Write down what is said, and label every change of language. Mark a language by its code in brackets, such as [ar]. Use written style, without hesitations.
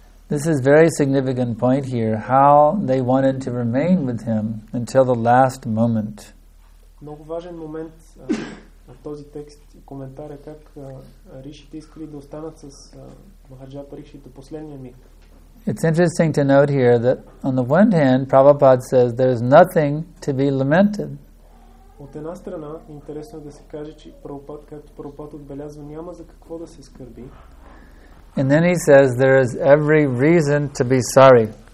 [en] This is a very significant point here, how they wanted to remain with him until the last moment. [bg] Много важен момент в този текст и коментар е как ришите искали да останат с Махараджа Парикшит до последния миг. [en] It's interesting to note here that on the one hand, Prabhupada says there is nothing to be lamented. [bg] От една страна, интересно е да се каже, че Прабхупад, както Прабхупад отбелязва, няма за какво да се скърби. [en] And then he says there is every reason to be sorry.